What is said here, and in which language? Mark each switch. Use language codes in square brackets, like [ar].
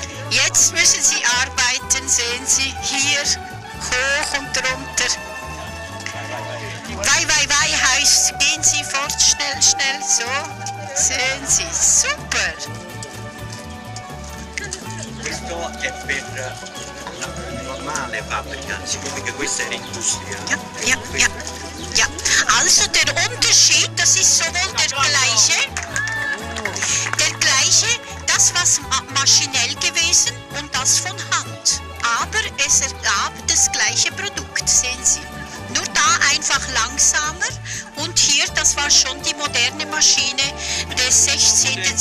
[de] Jetzt müssen Sie arbeiten, sehen Sie, hier, hoch und runter. Wei, wei, wei heißt, gehen Sie fort, schnell, schnell, so. Sehen Sie, super! [it] Questo è per la normale fabbrica, siccome che questa era industria. [de] Ja, ja, ja, ja. Also der Unterschied, das ist sowohl der gleiche, das war. etwas maschinell gewesen und das von Hand. Aber es ergab das gleiche Produkt, sehen Sie. Nur da einfach langsamer und hier, das war schon die moderne Maschine des 16.